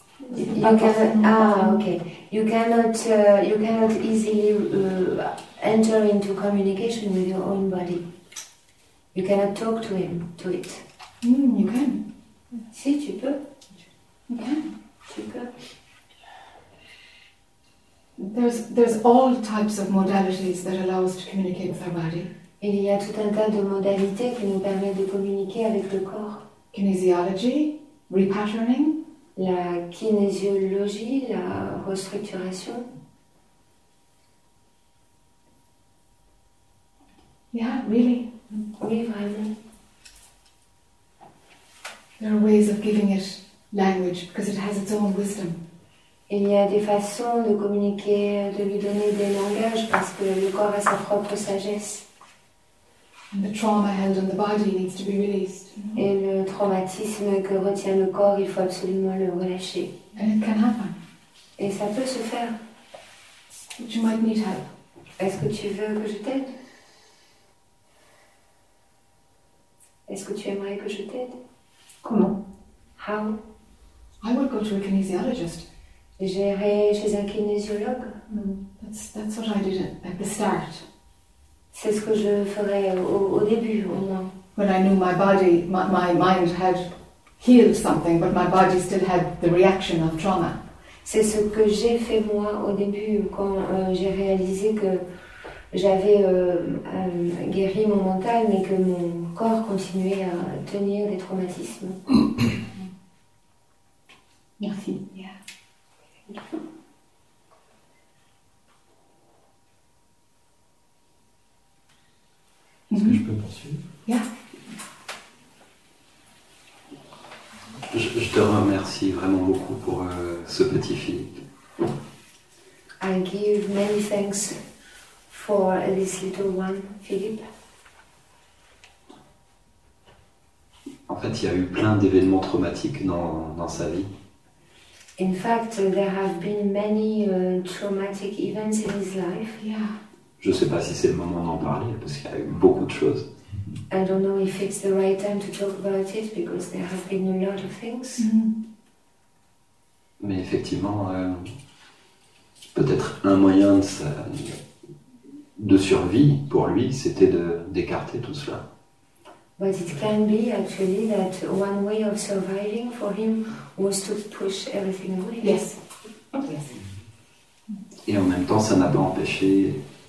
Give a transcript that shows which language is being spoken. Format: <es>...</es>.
<en>You cannot easily enter into communication with your own body. You cannot talk to him, to it. You can.</en> <fr>Si, tu peux.</fr> <en>You can. There's all types of modalities that allow us to communicate with our body.</en> <fr>Il y a tout un tas de modalités qui nous permettent de communiquer avec le corps.</fr> <en>Kinesiology, repatterning,</en> <fr>la kinésiologie, la restructuration.</fr> <en>Yeah, really.</en> <fr>Oui, vraiment.</fr> <en>There are ways of giving it language because it has its own wisdom.</en> <fr>Il y a des façons de communiquer, de lui donner des langages parce que le corps a sa propre sagesse.</fr> <en>And the trauma held on the body needs to be released.</en> <fr>Et le traumatisme que retient le corps, il faut absolument le relâcher.</fr> <en>And it can happen.</en> <fr>Et ça peut se faire.</fr> <en>But you might need help.</en> <fr>Est-ce que tu veux que je t'aide? Est-ce que tu aimerais que je t'aide? Comment?</fr> <en>How? I would go to a kinesiologist.</en> <fr>J'irai chez un kinésiologue.</fr> <en>That's what I did at the start.</en> <fr>C'est ce que je ferais au début, au moins.</fr> <en>When I knew my body, my mind had healed something, but my body still had the reaction of trauma.</en> <fr>C'est ce que j'ai fait moi au début, quand j'ai réalisé que j'avais guéri mon mental, mais que mon corps continuait à tenir des traumatismes. Merci. Est-ce que je peux poursuivre? Je te remercie vraiment beaucoup pour ce petit Philippe.</fr> <en>I give many thanks for this little one, Philippe.</en> <fr>En fait, il y a eu plein d'événements traumatiques dans sa vie.</fr> <en>In fact, there have been many traumatic events in his life. Yeah.</en> <fr>Je ne sais pas si c'est le moment d'en parler parce qu'il y a eu beaucoup de choses.</fr> <en>I don't know if it's the right time to talk about it because there have been a lot of things.</en> <fr>Mais effectivement, peut-être un moyen de survie pour lui, c'était d'écarter tout cela.</fr> <en>But it can be actually that one way of surviving for him was to push everything away. Yes.</en> <fr>Et en même temps, ça n'a pas empêché.</fr>